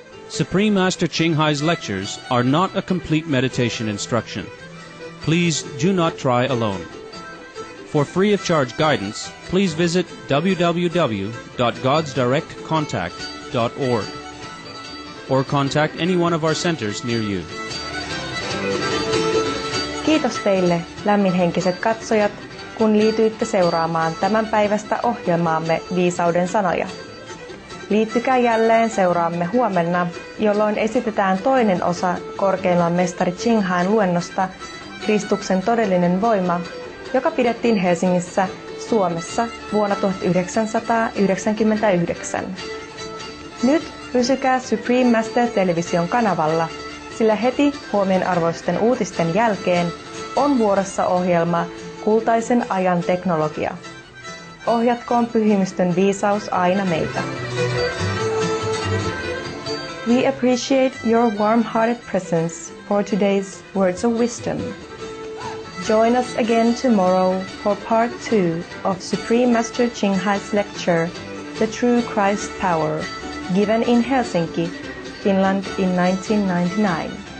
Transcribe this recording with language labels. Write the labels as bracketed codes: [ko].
[en] Supreme Master Qinghai's lectures are not a complete meditation instruction. Please do not try alone. For free of charge guidance, please visit www.godsdirectcontact.org or contact any one of our centers near you. [fi] Kiitos teille, lämminhenkiset katsojat, kun liityitte seuraamaan tämän päivästä ohjelmaamme Viisauden sanoja. Liittykää jälleen seuraamme huomenna, jolloin esitetään toinen osa korkeimman mestari Qinghain luennosta Kristuksen todellinen voima, joka pidettiin Helsingissä, Suomessa vuonna 1999. Nyt pysykää Supreme Master -television kanavalla, sillä heti huomionarvoisten uutisten jälkeen on vuorossa ohjelma Kultaisen ajan teknologia. Ohjatkoon pyhimystön viisaus aina meitä. [en] We appreciate your warm-hearted presence for today's words of wisdom. Join us again tomorrow for part 2 of Supreme Master Qinghai's lecture, The True Christ Power, given in Helsinki, Finland in 1999.